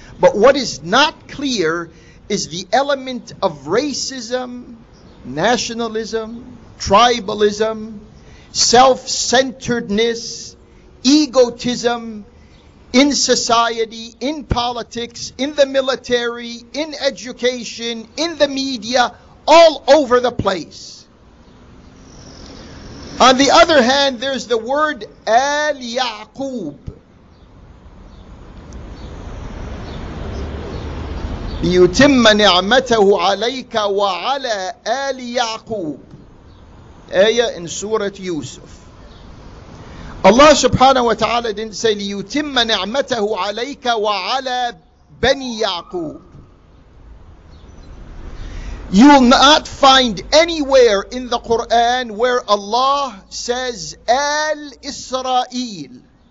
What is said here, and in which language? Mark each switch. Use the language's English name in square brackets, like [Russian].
[English] But what is not clear is the element of racism, nationalism, tribalism, self-centeredness, egotism in society, in politics, in the military, in education, in the media, all over the place. On the other hand, there's the word Al-Ya'qub. [Arabic] لِيُتِمَّ نِعْمَتَهُ عَلَيْكَ وَعَلَىٰ آلِ يَعْقُوبِ آية in Surah Yusuf. [English] Allah subhanahu wa ta'ala didn't say [Arabic] لِيُتِمَّ نِعْمَتَهُ عَلَيْكَ وَعَلَىٰ بَنِي يَعْقُوبِ. [English] You will not find anywhere in the Quran where Allah says آل إسرائيل.